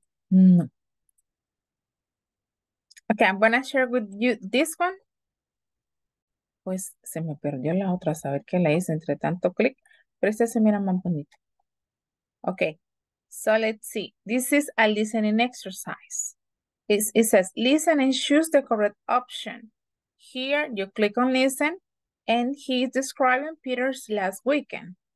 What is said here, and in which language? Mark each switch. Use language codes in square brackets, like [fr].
[en] No. Okay, I'm gonna share with you this one. [es] Pues se me perdió la otra, saber qué la hice entre tanto clic, pero esta se mira más bonita. [en] Okay, so let's see. This is a listening exercise. It says, listen and choose the correct option. Here, you click on listen, and he's describing Peter's last weekend.